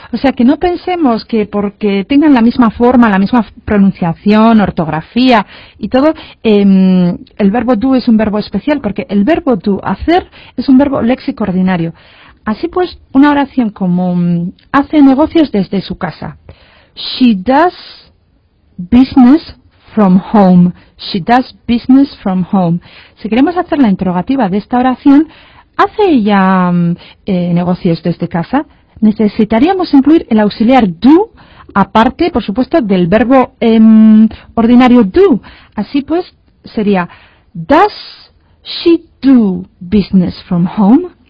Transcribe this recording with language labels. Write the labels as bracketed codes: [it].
[es] O sea, que no pensemos que porque tengan la misma forma, la misma pronunciación, ortografía y todo, el verbo do es un verbo especial, porque el verbo do, hacer, es un verbo léxico ordinario. Así pues, una oración como hace negocios desde su casa. [en] She does business from home. She does business from home. [es] Si queremos hacer la interrogativa de esta oración, ¿hace ella negocios desde casa? Necesitaríamos incluir el auxiliar do, aparte, por supuesto, del verbo ordinario do. Así pues, sería, [en] does she do business from home?